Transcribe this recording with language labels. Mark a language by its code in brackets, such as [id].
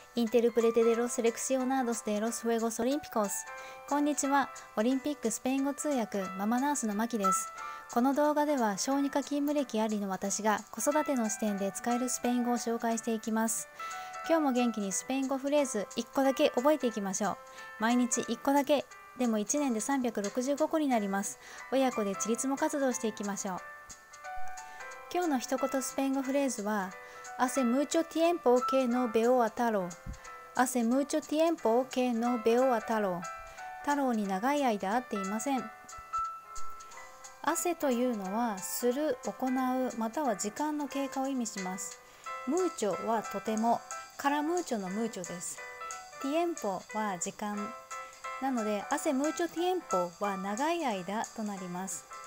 [es] Interprete de los seleccionados de los Juegos Olímpicos. [ja] こんにちは。オリンピックスペイン語通訳、ママナースのマキです。この動画では小児科勤務歴ありの私が子育ての視点で使えるスペイン語を紹介していきます。今日も元気にスペイン語フレーズ1個だけ覚えていきましょう。毎日1個だけ。でも1年で365個になります。親子でチリツモ活動していきましょう。今日の一言スペイン語フレーズは、 [es] Hace mucho tiempo que no veo a Taro. Hace mucho tiempo que no veo a Taro. [ja] タローに長い間会っていません。Hace というのは、する、行う、または時間の経過を意味します。 Mucho はとても、からムーチョのムーチョです。 Tiempo は時間。なので、 [es] Hace mucho tiempo [ja] は長い間となります。